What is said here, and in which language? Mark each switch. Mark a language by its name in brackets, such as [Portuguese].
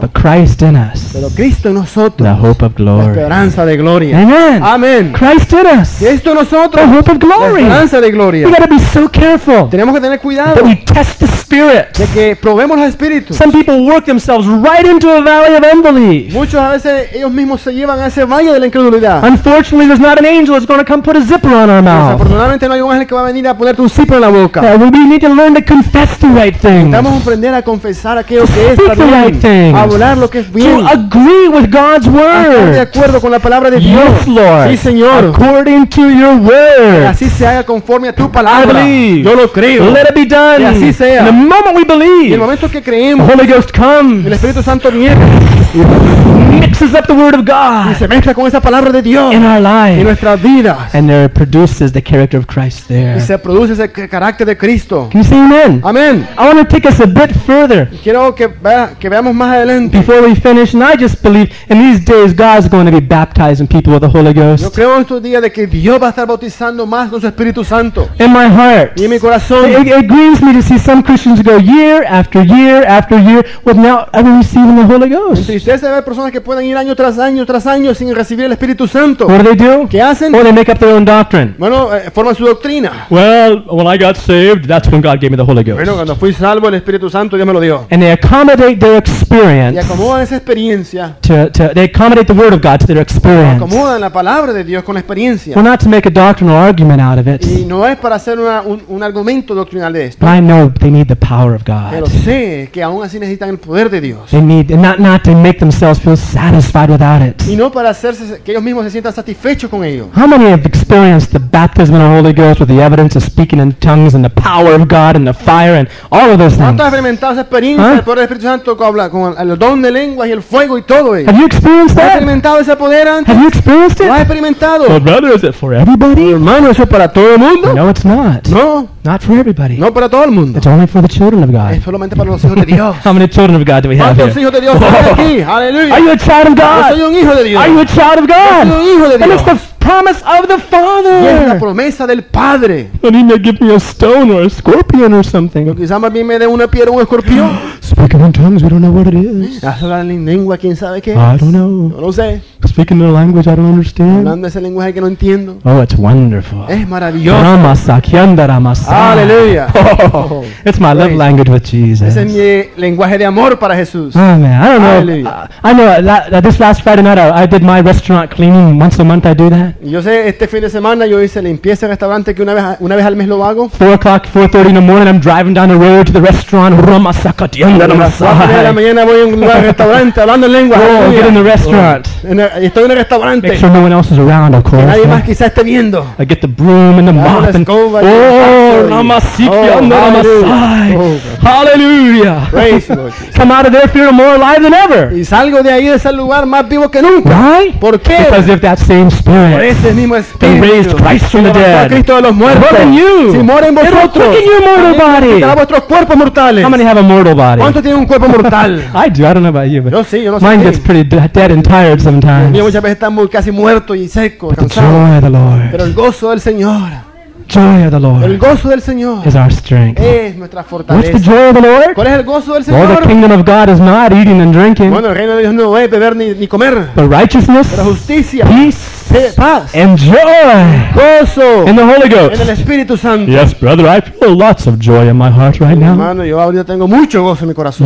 [English] But Christ in us. [Spanish] Pero Cristo en nosotros. [English] The hope of glory. [Spanish] La esperanza de gloria. Amen. Amen. [English] Christ in us. [Spanish] Cristo en nosotros. [English] The hope of glory. [Spanish] La esperanza de gloria. [English] We got to be so careful. [Spanish] Tenemos que tener cuidado. [English] That we test the Spirit. [Spanish] De que probemos los espíritus. [English] Some people work themselves right into a valley. Of unbelief. [Spanish] Muchos a veces ellos mismos se llevan a ese valle de la incredulidad. [English] Unfortunately, there's not an angel that's going to come put a zipper on our mouth. [Spanish] Desafortunadamente, no hay un ángel que va a venir a ponerte un zipper en la boca. [English] We need to learn to confess the right things. [Spanish] Necesitamos aprender a confesar aquello que es bien. A hablar lo que es bien. [English] To agree with God's word. [Spanish] Estar de acuerdo con la palabra de Dios. [English] Yes, Lord. [Spanish] Sí, Señor. [English] According to your word. [Spanish] Que así se haga conforme a tu palabra. [English] I believe. [Spanish] Yo lo creo. [English] Let it be done. [Spanish] Que así sea. [English] The moment we believe. [Spanish] Y el momento que creemos. [English] Holy Ghost comes. [Spanish] El Espíritu Santo viene. [English] Thank you. mixes up the word of God [Spanish] y se mezcla con esa palabra de Dios [English] in our lives, [Spanish] en nuestras vidas. [English] And there produces the character of Christ there. [Spanish] Y se produce ese carácter de Cristo. [English] Can you say amen? Amen. I want to take us a bit further. [Spanish] Quiero que veamos más adelante. [English] Before we finish, and I just believe in these days God's going to be baptizing people with the Holy Ghost. [Spanish] Yo creo en estos días de que Dios va a estar bautizando más con su Espíritu Santo. [English] In my heart. [Spanish] Y en mi corazón. [English] It grieves me to see some Christians go year after year after year without ever receiving the Holy Ghost. [Spanish] Si ustedes ven personas que pueden ir año tras año tras año sin recibir el Espíritu Santo. [English] What do they do? [Spanish] ¿Qué hacen? [English] Or they make up their own doctrine. [Spanish] Bueno, forman su doctrina. [English] Well, when I got saved, that's when God gave me the Holy Ghost. [Spanish] Bueno, cuando fui salvo el Espíritu Santo Dios me lo dio. [English] And they accommodate their experience. [Spanish] Y acomodan esa experiencia. [English] They accommodate the Word of God to their experience. [Spanish] Acomodan la palabra de Dios con la experiencia. [English] Well, not to make a doctrinal argument out of it. [Spanish] Y no es para hacer un argumento doctrinal de esto. [English] But I know they need the power of God. [Spanish] Pero sé que aún así necesitan el poder de Dios. [English] They need not to make themselves feel satisfied without it. [Spanish] Y no para hacerse que ellos mismos se sientan satisfechos con ello. [English] How many have experienced the baptism of the Holy Ghost with the evidence of speaking in tongues and the power of God and the fire and all of those things? [Spanish] ¿Has experimentado esa experiencia del poder del Espíritu Santo con hablar con el don de lenguas y el fuego y todo eso? [English] Have you experienced that? [Spanish] ¿Has experimentado ese poder antes? [English] Have you experienced it? [Spanish] ¿Lo has experimentado? [English] But brother, is it for everybody? [Spanish] Hermano, ¿eso es para todo el mundo? [English] No, it's not. [Spanish] No. [English] Not for everybody. [Spanish] No para todo el mundo. [English] It's only for the children of God. [Spanish] Es solamente para los hijos de Dios. [English] How many children of God do we have here? [Spanish] Hijos de Dios aquí. Hallelujah. [English] Are you a child of God? [Spanish] Yo soy un hijo de Dios. [English] Are you a child of God? [Spanish] Yo soy un hijo de Dios. [English] And it's the promise of the Father. [Spanish] Y es la promesa del Padre. [English] Then he may give me a stone or a scorpion or something. [Spanish] Quizá más bien me dé una piedra o un escorpión. [English] Speaking in tongues, we don't know what it is. [Spanish] Hablar en lengua, quién sabe qué. [English] I don't know. [Spanish] No lo sé. [English] Speaking in a language I don't understand. [Spanish] Hablando ese lenguaje que no entiendo. [English] Oh, it's wonderful. [Spanish] Es maravilloso. Ramasa, kiandaramasa. Hallelujah. [English] Oh, it's my praise love language with Jesus. [Spanish] Es mi lenguaje de amor para Jesús. [English] Oh, man, I don't know. Hallelujah. I know this last Friday night I did my restaurant cleaning. Once a month I do that. [Spanish] Yo sé este fin de semana yo hice limpieza en restaurante que una vez al mes lo hago. [English] 4:00, 4:30 in the morning I'm driving down the road to the restaurant. Ramasa, kiandaramasa. [Spanish] La mañana voy a un restaurante hablando lengua. [English] Oh, get in the restaurant. [Spanish] Estoy en el restaurante. [English] Make sure no one else is around, of course. [Spanish] Nadie más quizá esté viendo. [English] I get the broom and the mop and Hallelujah. Hallelujah. Praise come out of there feeling more alive than ever. [Spanish] Y salgo de ahí de ese lugar más vivo que nunca. [English] Why? [Spanish] ¿Por qué? [English] Because of that same spirit. [Spanish] Por ese mismo espíritu. [English] They raised Christ from the dead. [Spanish] Cristo de los muertos. [English] More than you. [Spanish] Si more en vosotros. [English] It will quicken your mortal body. [Spanish] Quitará vuestros cuerpos mortales. [English] How many have a mortal body? [Spanish] ¿Cuánto tiene un cuerpo mortal? [English] I do. I don't know about you, but [Spanish] yo sí, yo no [English] mine [Spanish] sé [English] gets pretty dead and tired sometimes. [Spanish] Mi muchas veces está muy casi muerto y seco, cansado. [English] The joy of the Lord. [Spanish] Pero el gozo del Señor. [English] Joy of the Lord. [Spanish] El gozo del Señor. [English] Is our strength. [Spanish] Es nuestra fortaleza. [English] What's the joy of the Lord? [Spanish] ¿Cuál es el gozo del Señor? [English] Well, the kingdom of God is not eating and drinking. [Spanish] Bueno, el reino de Dios no es beber ni comer. [English] But righteousness. [Spanish] Pero justicia. [English] Peace. [Spanish] Paz. [English] And joy. [Spanish] Gozo. [English] In the Holy Ghost. [Spanish] En el Espíritu Santo. [English] Yes, brother, I feel lots of joy in my heart right now. [Spanish] Hermano, yo ahorita tengo mucho gozo en mi corazón.